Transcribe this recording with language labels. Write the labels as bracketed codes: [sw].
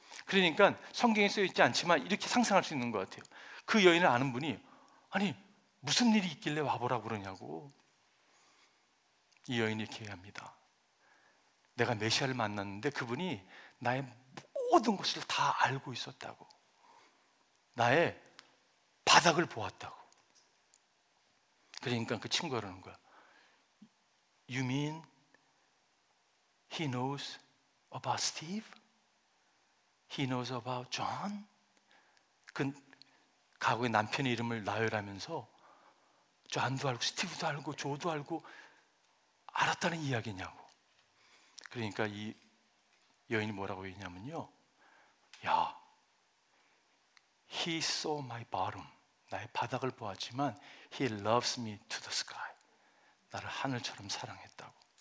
[ko] 그러니까 성경에 쓰여 있지 않지만 이렇게 상상할 수 있는 것 같아요. 그 여인을 아는 분이 아니 무슨 일이 있길래 와보라고 그러냐고 이 여인이 이렇게 얘기합니다. 내가 메시아를 만났는데 그분이 나의 모든 것을 다 알고 있었다고 나의 바닥을 보았다고 그러니까 그 친구가 그러는 거야. [en] You mean he knows about Steve? He knows about John? [ko] 그 가구의 남편의 이름을 나열하면서 존도 알고 스티브도 알고 조도 알고 알았다는 이야기냐고. 그러니까 이 여인이 뭐라고 했냐면요, 야, [en] he saw my bottom, [ko] 나의 바닥을 보았지만 [en] he loves me to the sky, [ko] 나를 하늘처럼 사랑했다고.